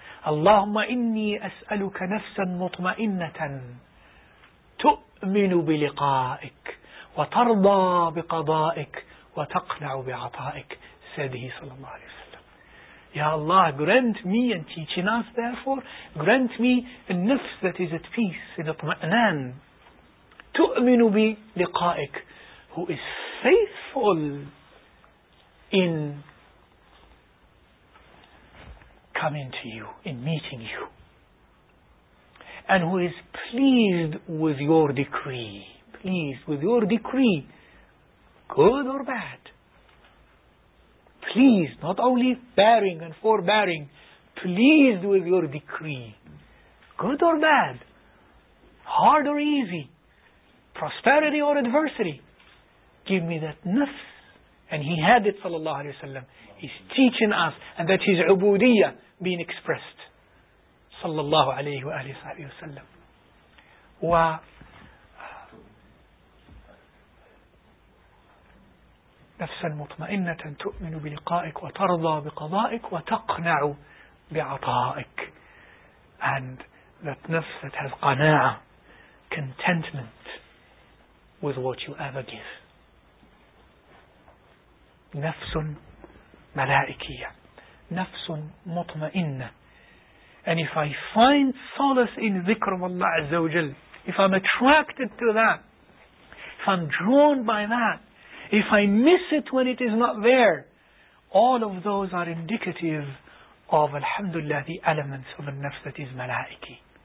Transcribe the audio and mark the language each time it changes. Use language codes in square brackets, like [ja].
[ar] اللهم إني أسألك نفسا مطمئنة تؤمن بلقائك وترضى بقضائك وتقنع بعطائك. [en] Said he صلى الله عليه وسلم. Ya Allah, grant me, and teaching us therefore, grant me a nafs that is at peace, in اطمئنان, [ar] تؤمن بلقائك, [en] who is faithful in coming to you, in meeting you, and who is pleased with your decree. Pleased with your decree, good or bad. Pleased, not only bearing and forbearing, pleased with your decree, good or bad, hard or easy, prosperity or adversity. Give me that nafs. And he had it, sallallahu alayhi wa sallam. He's teaching us, and that his ubudiyya being expressed, sallallahu alayhi wa sallam. [ar] Wa نفسا مطمئنة تؤمن بلقائك وترضى بقضائك وتقنع بعطائك. [en] And that nafs that has qana'a, contentment with what you ever give. [ar] نفس ملائكية. نفس مطمئنة. [en] And if I find solace in ذكر of Allah عز وجل, if I'm attracted to that, if I'm drawn by that, if I miss it when it is not there, all of those are indicative of alhamdulillah, the elements of a nafs that is malaiki.